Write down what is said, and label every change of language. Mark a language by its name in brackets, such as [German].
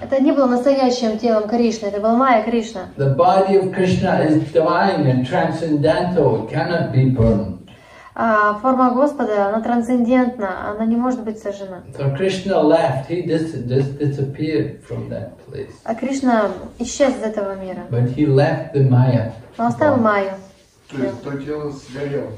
[Russian] Это не было настоящим телом Кришны, это была Майя Кришна. [English] The body of Krishna is divine and transcendental. It cannot be burned. [Russian] Форма Господа, она трансцендентна, она не может быть сожжена. [English] So Krishna left. He disappeared from that place. [Russian] А Кришна исчез из этого мира. [English] But he left the Maya. [Russian] Он оставил Майю. То есть то тело сгорело.